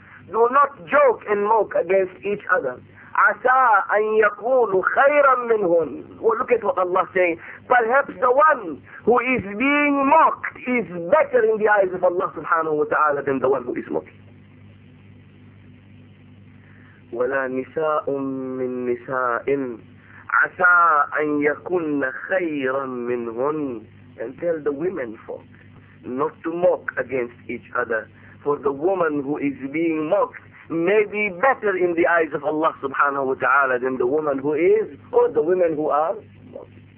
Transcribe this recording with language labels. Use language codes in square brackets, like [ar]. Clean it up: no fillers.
[en] Do not joke and mock against each other. [ar] عسى أن يقولوا خيرا منهم. [en] Well, look at what Allah is saying. Perhaps the one who is being mocked is better in the eyes of Allah subhanahu wa ta'ala than the one who is mocking. [ar] ولا نساء من نساء عسى أن يكون خيرا منهن. [en] And tell the women folk not to mock against each other. For the woman who is being mocked may be better in the eyes of Allah subhanahu wa ta'ala than the woman who is, or the women who are mocked.